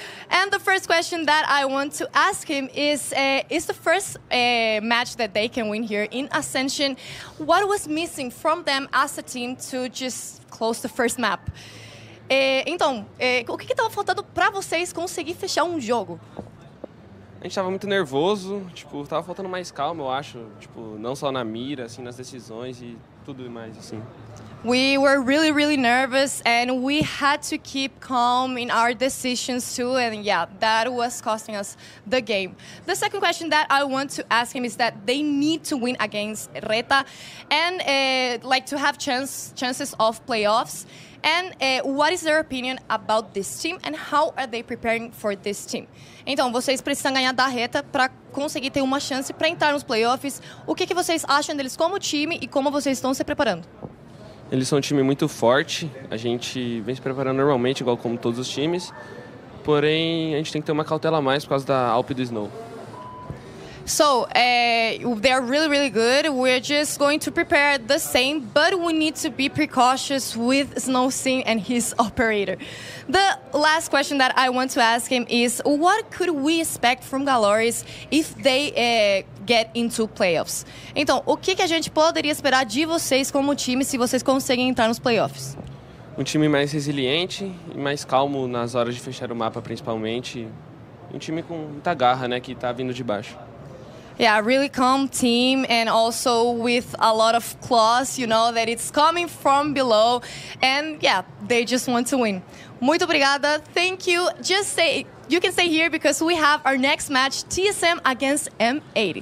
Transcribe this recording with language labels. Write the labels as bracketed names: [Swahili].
[English] And the first question that I want to ask him is the first match that they can win here in Ascension. What was missing from them as a team to just close the first map? [Portuguese] Então, o que estava faltando para vocês conseguir fechar jogo? A gente tava muito nervoso, tipo, tava faltando mais calma, eu acho, tipo, não só na mira, assim, nas decisões e tudo mais, assim. [English] We were really, really nervous and we had to keep calm in our decisions too, and yeah, that was costing us the game. The second question that I want to ask him is that they need to win against Reta and, like, to have chances of playoffs. And what is their opinion about this team and how are they preparing for this team? [Portuguese] Então, vocês precisam ganhar da Reta para conseguir ter uma chance para entrar nos playoffs. O que vocês acham deles como time e como vocês estão se preparando? Eles são um time muito forte. A gente vem se preparando normalmente, igual como todos os times. Porém, a gente tem que ter uma cautela a mais por causa da Alp e do Snow. [English] So, they are really, really good. We're just going to prepare the same, but we need to be precautious with Snow Sim and his operator. The last question that I want to ask him is, what could we expect from Galores if they get into playoffs? [Portuguese] Então, o que a gente poderia esperar de vocês como time se vocês conseguem entrar nos playoffs? Um time mais resiliente e mais calmo nas horas de fechar o mapa, principalmente. Um time com muita garra, né, que tá vindo de baixo. [English] Yeah, really calm team and also with a lot of claws, you know, that it's coming from below. And yeah, they just want to win. [Portuguese] Muito obrigada. [English] Thank you. You can stay here because we have our next match, TSM against M80.